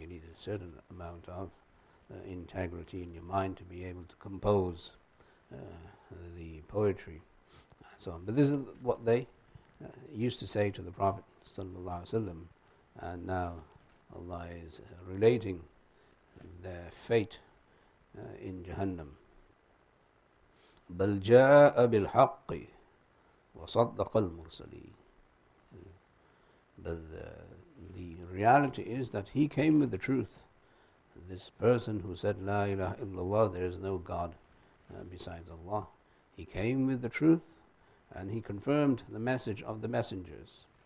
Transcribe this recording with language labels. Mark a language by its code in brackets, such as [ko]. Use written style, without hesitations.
[en] You need a certain amount of integrity in your mind to be able to compose the poetry and so on. But this is what they used to say to the Prophet sallallahu alaihi wasallam, and now Allah is relating their fate in Jahannam. [ar] بل جاء بالحق وصدق المرسلين. [en] But the reality is that he came with the truth. This person who said [ar] La ilaha illallah, [en] there is no God besides Allah, he came with the truth and he confirmed the message of the messengers.